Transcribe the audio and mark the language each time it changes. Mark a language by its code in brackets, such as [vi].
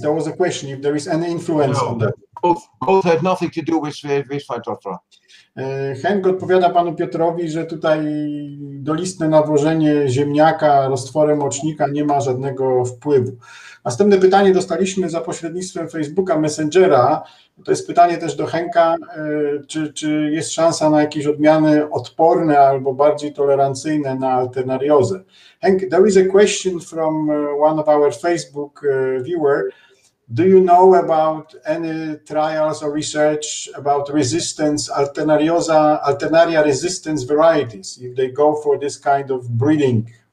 [en] There was a question if there is any influence on that. Both have nothing to do with Phytophthora. [pl] Henk odpowiada panu Piotrowi, że tutaj dolistne nawożenie ziemniaka roztworem mocznika nie ma żadnego wpływu. Następne pytanie dostaliśmy za pośrednictwem Facebooka Messengera. To jest pytanie też do Henka, czy jest szansa na jakieś odmiany odporne albo bardziej tolerancyjne na alternariozę. [en] Henk, there is a question from one of our Facebook viewer. Do you know about any trials or research about resistance, alternaria resistance varieties, if they go for this kind of breeding?